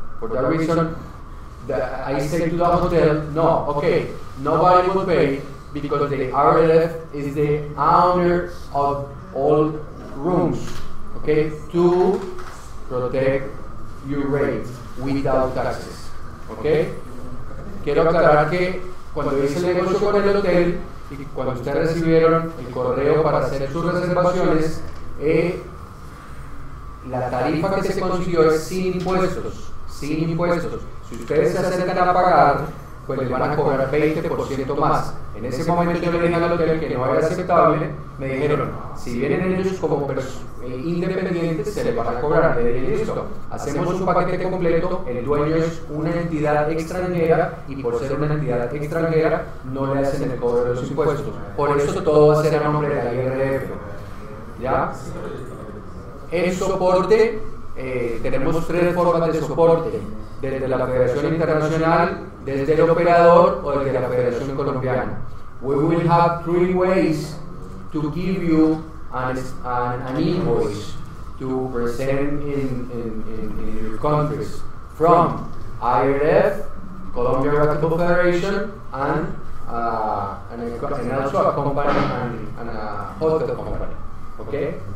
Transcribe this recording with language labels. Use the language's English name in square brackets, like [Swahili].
[English] For that reason, I say to the hotel, no, okay, nobody will pay because the RLF is the owner of all rooms, okay, to protect your rates without taxes, okay? [Spanish] Quiero aclarar que cuando hice el negocio con el hotel y cuando ustedes recibieron el correo para hacer sus reservaciones, la tarifa que se consiguió es sin impuestos. Si ustedes se acercan a pagar, pues les van a cobrar 20% más. En ese momento yo le dije al hotel que no era aceptable, me dijeron, si vienen ellos como independientes, se les va a cobrar. Le dije, listo, hacemos un paquete completo, el dueño es una entidad extranjera y por ser una entidad extranjera no le hacen el cobro de los impuestos. Por eso todo va a ser a nombre de la IRF. ¿Ya? El soporte, tenemos tres formas de soporte. Desde la Federación Internacional, desde el operador o desde la Federación Colombiana. [English] We will have three ways to give you an invoice to present in your countries from IRF, Colombia Racquetball Federation, and also a company and a hotel company. Okay?